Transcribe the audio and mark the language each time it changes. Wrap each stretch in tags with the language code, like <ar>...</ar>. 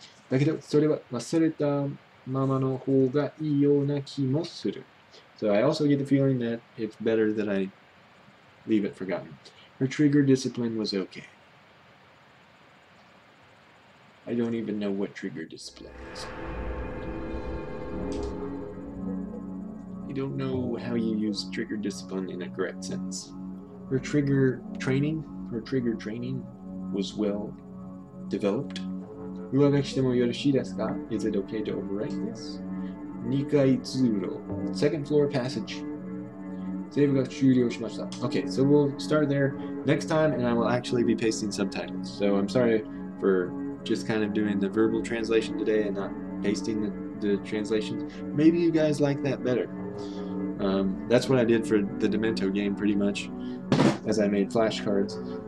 <ja>だけどそれは忘れたままの方がいいような気もする.だけどそれは忘れたままの方がいいような気もする.</ja> <en>So I also get the feeling that it's better that I leave it forgotten. Her trigger discipline was okay. I don't even know what trigger discipline is. I don't know how you use trigger discipline in a correct sense. Her trigger training was well developed.</en> <ja>上書きしてもよろしいですか?</ja> <en>Is it okay to overwrite this?</en> <ja>2階通路,</ja> <en>second floor passage.</en> <ja>セーブが終了しました.</ja> <en>Okay, so we'll start there next time, and I will actually be pasting subtitles. So I'm sorry for just kind of doing the verbal translation today and not pasting the translations. Maybe you guys like that better. That's what I did for the Demento game, pretty much, as I made flashcards.</en>